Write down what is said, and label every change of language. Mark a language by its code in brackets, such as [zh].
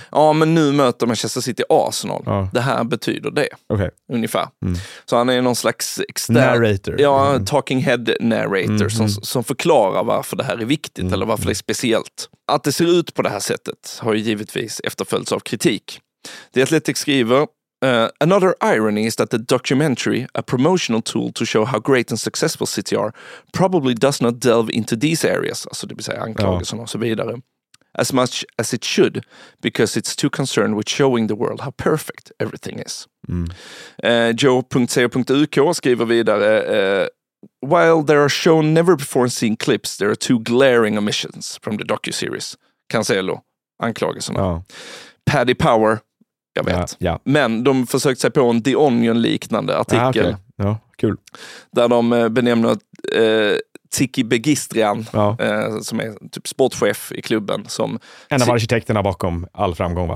[sv] Ja, men nu möter Manchester City Arsenal. Ja. Det här betyder det, okay. Ungefär. Mm. Så han är någon slags extern... [en] Narrator. [sv] Ja, talking head narrator som förklarar varför det här är viktigt eller varför det är speciellt. Att det ser ut på det här sättet har ju givetvis efterföljts av kritik. The Athletic skriver... [en] another irony is that the documentary, a promotional tool to show how great and successful City are, probably does not delve into these areas, alltså det vill säga anklagelserna och så vidare, as much as it should, because it's too concerned with showing the world how perfect everything is. Joe.co.uk skriver vidare, while there are shown never before seen clips, there are two glaring omissions from the docuseries. [sv] Cancelo, anklagelserna. Oh. Paddy Power, jag vet. Ja, ja. Men de försökte sig på en The Onion-liknande artikel. Ja, okay. Ja, kul. Där de benämner Tiki Begistrian, som är typ sportchef i klubben. Som en av arkitekterna bakom all framgång, va?